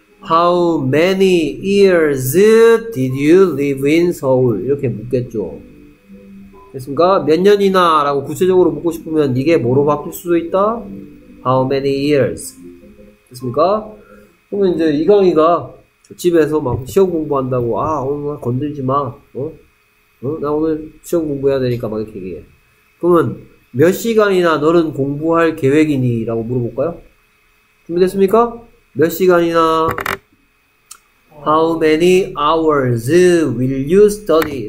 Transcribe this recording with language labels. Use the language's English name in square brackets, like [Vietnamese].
[English] How many years did you live in Seoul? [Korean] 이렇게 묻겠죠. 됐습니까? 몇 년이나 라고 구체적으로 묻고 싶으면 이게 뭐로 바뀔 수도 있다? [English] How many years? [Korean] 됐습니까? 그러면 이제 이강이가 집에서 막 시험 공부한다고, 아, 오늘 건들지 마. 어? 어? 나 오늘 시험 공부해야 되니까 막 이렇게 얘기해. 그러면 몇 시간이나 너는 공부할 계획이니? 라고 물어볼까요? 준비됐습니까? 몇 시간이나 [English] How many hours will you study?